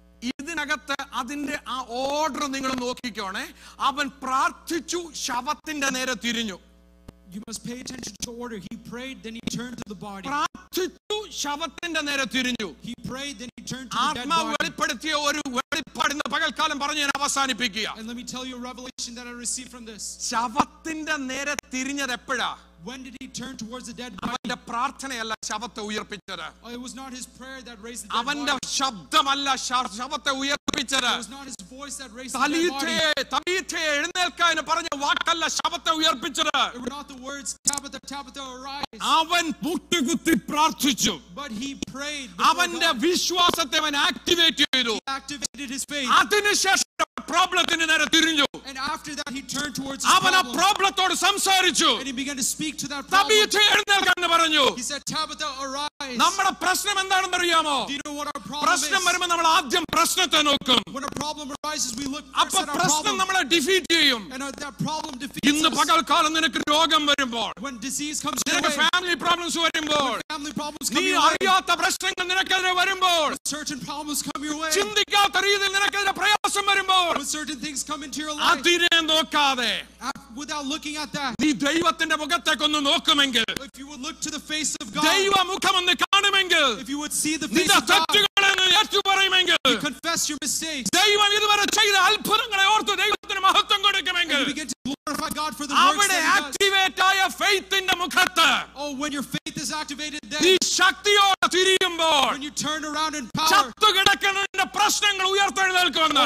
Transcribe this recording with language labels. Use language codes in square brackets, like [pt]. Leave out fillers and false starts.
[ml] ഇതിനകത്ത് അതിന്റെ ആ ഓർഡർ നിങ്ങൾ നോക്കിക്കോണേ. അവൻ പ്രാർത്ഥിച്ചു, ശവത്തിന്റെ നേരെ തിരിഞ്ഞു. [en] You must pay attention to order. He prayed, then he turned to the body. [ml] പ്രാർത്ഥിച്ചു, ശവത്തിന്റെ നേരെ തിരിഞ്ഞു. [en] He prayed, then he turned to the dead body. [ml] ആത്മാവ് വെളിപ്പെടുത്തിയ ഒരു വെളിപ്പാടിന്റെ പകൽക്കാലം പറഞ്ഞു ഞാൻ അവസാനിപ്പിക്കുക. [en] And let me tell you a revelation that I received from this. [ml] ശവത്തിന്റെ നേരെ തിരിഞ്ഞത് എപ്പോഴാ? [en] When did he turn towards the dead body? [ml] അവന്റെ പ്രാർത്ഥനയല്ല ശവത്തെ ഉയർപ്പിച്ചത്. [en] Oh, it was not his prayer that raised the dead. [ml] അവന്റെ ശബ്ദമല്ല ശവത്തെ ഉയർപ്പിച്ചത്. [en] It was not his voice that raised the dead body. [ml] തബീഥേ എഴുന്നേൽക്ക എന്ന് പറഞ്ഞ വാക്കല്ല ശവത്തെ ഉയർപ്പിച്ചത്. [en] It was not the words Tabitha arise. [ml] അവൻ മുട്ടുകുത്തി പ്രാർത്ഥിച്ചു. [en] But he prayed. [ml] അവന്റെ വിശ്വാസത്തെ അവൻ ആക്ടിവേറ്റ് ചെയ്തു. [en] He activated his faith. [ml] അതിനുശേഷം പ്രോബ്ലത്തിന് നേരെ തിരിഞ്ഞു. [en] And after that he turned towards [ml] അവൻ ആ പ്രോബ്ലത്തോട് സംസാരിച്ചു. [en] And he began to speak to that problem. [ml] തബീഥേ എഴുന്നേൽക്കാൻ പറഞ്ഞു. [en] He said, Tabitha, arise. [ml] നമ്മുടെ പ്രശ്നം എന്താണെന്ന് അറിയാമോ? [en] Do you know what our problem is? [ml] പ്രശ്നം വരുമ്പോൾ നമ്മൾ ആദ്യം പ്രശ്നത്തെ നോക്കും. [en] When a problem arises, we look first at the problem. [ml] പ്രശ്നം നമ്മളെ ഡിഫീറ്റ് ചെയ്യും. [en] And if that problem defeats us. [ml] ഇന്ന് പകൽക്കാലം നിനക്ക് രോഗം വരുമ്പോൾ. [en] When disease comes your way. [ml] നിനക്ക് ഫാമിലി പ്രോബ്ലംസ് വരുമ്പോൾ. [en] Family problems come your way. [ml] നീ അറിയാത്ത പ്രശ്നങ്ങൾ നിനക്കെതിരെ വരുമ്പോൾ. [en] Certain problems come your way. [ml] ചിന്തിക്കാത്ത രീതിയിൽ നിനക്കെതിരെ പ്രയാസം വരുമ്പോൾ. [en] When certain things come into your life. [ml] അതിനെ നോക്കാതെ. [en] Without looking at that. [ml] നീ ദൈവത്തിന്റെ മുഖത്തേക്ക് ഒന്ന് നോക്കുമെങ്കിൽ. [en] If you would look to the face of God. [ml] ദൈവമുഖം ഒന്ന് കാണുമെങ്കിൽ. [en] If you would see the face of God. [ml] നിന്റെ തെറ്റുകളെന്ന് ഏറ്റു പറയുമെങ്കിൽ. [en] If you confess your mistakes. [ml] ദൈവം ഇതുവരെ ചെയ്ത അത്ഭുതങ്ങളെ ഓർത്ത് ദൈവത്തിന് മഹത്വം കൊടുക്കുമെങ്കിൽ. [en] If you begin to glorify God for the works that he does. [ml] അവിടെ ആക്ടിവേറ്റ് ആയ ഫെയ്ത്തിന്റെ മുഖത്ത്. [en] Oh, when your faith is activated then. [ml] നീ ശക്തിയോടെ തിരിയുമ്പോൾ. [en] When you turn around in power. [ml] ചത്തുകിടക്കുന്ന പ്രശ്നങ്ങൾ ഉയർത്തെഴുന്നേൽക്കുന്ന.